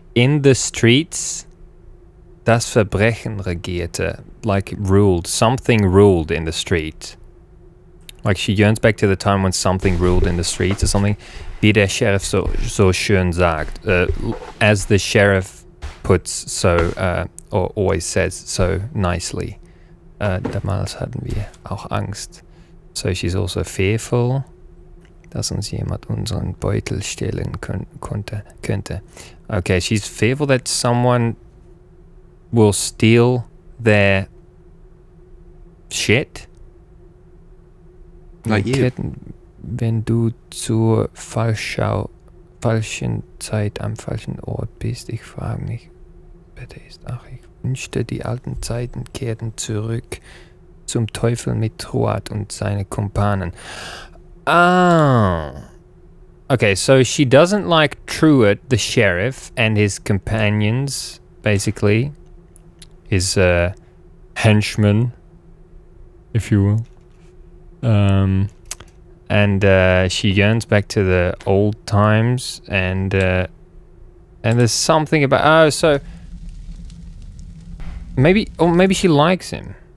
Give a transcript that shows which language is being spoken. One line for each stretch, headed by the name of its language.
English: in the streets, das Verbrechen regierte, like, ruled, something ruled in the street. Like, she yearns back to the time when something ruled in the streets or something. Wie der Sheriff so schön sagt. As the sheriff puts so, or always says so nicely.
German: Damals hatten wir auch Angst. So she's also fearful, dass uns jemand unseren Beutel stehlen könnte.
English: Okay, she's fearful that someone will steal their shit. Like you.
German: Wenn du zur falschen Zeit am falschen Ort bist, ich frage mich, wer der ist. Ach, ich wünschte, die alten Zeiten kehrten zurück zum Teufel mit Truat und seine Kumpanen. Ah.
English: Okay, so she doesn't like Truat, the sheriff, and his companions, basically. His henchmen. if you will. And she yearns back to the old times, and there's something about maybe she likes him.